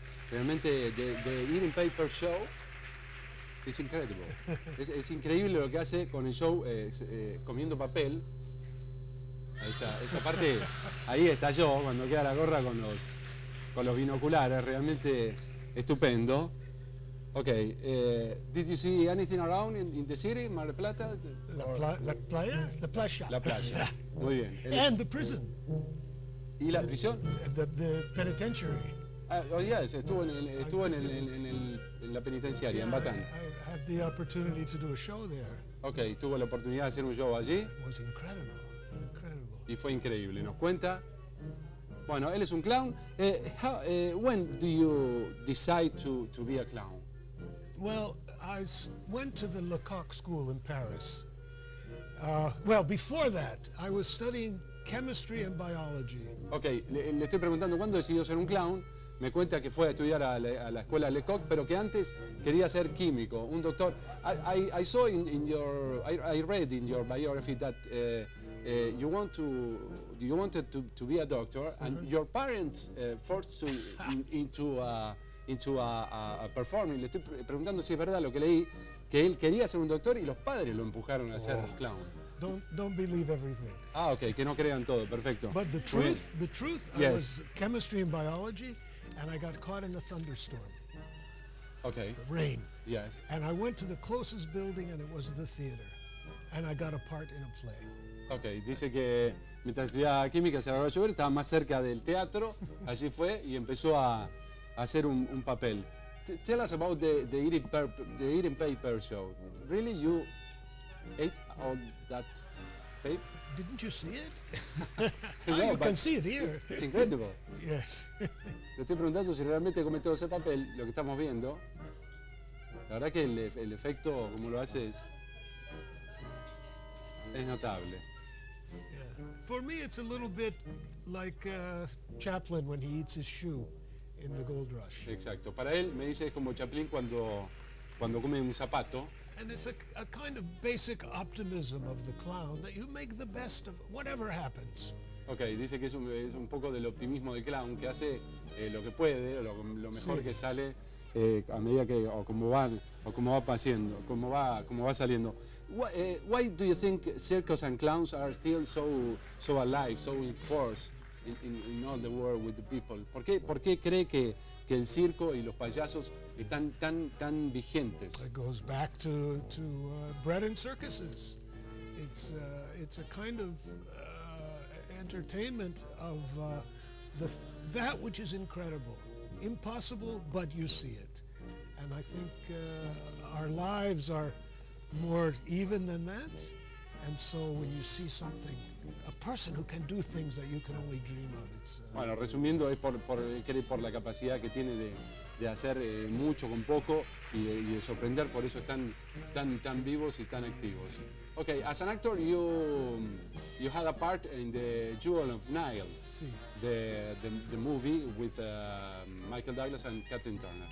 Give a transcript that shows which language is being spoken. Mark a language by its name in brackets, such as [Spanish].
[English] Realmente, the Eating Paper Show, it's incredible. [Spanish] Es increíble lo que hace con el show Comiendo Papel. Ahí está, esa parte, ahí está yo, cuando queda la gorra con los binoculares, realmente estupendo. [English] Ok, did you see anything around in the city, Mar del Plata? [Spanish] La playa. La playa, yeah. Muy bien. [English] And the prison. [Spanish] ¿Y la prisión? [English] The penitentiary. Oh, yes, [Spanish] estuvo en la penitenciaria, en Batán. [English] I had the opportunity to do a show there. [Spanish] Ok, tuvo la oportunidad de hacer un show allí. [English] It was incredible. Incredible. [Spanish] Y fue increíble, nos cuenta. Bueno, él es un clown. [English] When do you decide to be a clown? Well, I went to the Lecoq School in Paris. Well, before that, I was studying chemistry and biology. [Spanish] Okay, le estoy preguntando cuándo decidió ser un clown. Me cuenta que fue a estudiar a la escuela Lecoq, pero que antes quería ser químico, un doctor. [English] I saw I read in your biography that you wanted to be a doctor, and mm-hmm. your parents forced you into a performing. [Spanish] Le estoy preguntando si es verdad lo que leí, que él quería ser un doctor y los padres lo empujaron a ser un clown. [English] Don't believe everything. [Spanish] Ah, okay, que no crean todo, perfecto. [English] But the truth, yes. I was chemistry and biology, and I got caught in a thunderstorm. Okay. Rain. Yes. And I went to the closest building, and it was the theater. And I got a part in a play. [Spanish] Okay, dice que mientras estudiaba química se agarró a llover, estaba más cerca del teatro, allí fue y empezó a hacer un papel. [English] Tell us about the eating paper show. Really, you ate all that paper? Didn't you see it? No, you can see it here. It's incredible. Yes. [Spanish] Le estoy preguntando si realmente come todo ese papel, lo que estamos viendo. La verdad que el efecto, como lo hace, es notable. [English] Yeah. For me, it's a little bit like Chaplin when he eats his shoe in the Gold Rush. [Spanish] Exacto. Para él, me dice, es como Chaplin cuando come un zapato. [English] And it's a kind of basic optimism of the clown that you make the best of whatever happens. [Spanish] Okay, dice que es un poco del optimismo del clown, que hace lo que puede, lo mejor, sí, que sale a medida que como va saliendo. [English] Why do you think circus and clowns are still so alive, so in force in all the world with the people? [Spanish] ¿Por qué cree que el circo y los payasos están tan vigentes? [English] It goes back to bread and circuses. It's a kind of entertainment of that which is incredible, impossible, but you see it. And I think our lives are more even than that. And so when you see something, a person who can do things that you can only dream of, it's [Spanish] bueno, resumiendo, es por la capacidad que tiene de hacer mucho con poco y de sorprender. Por eso están tan vivos y tan activos. [English] Okay, as an actor, you had a part in the Jewel of Nile, [Spanish] sí, [English] the movie with Michael Douglas and Catherine Turner.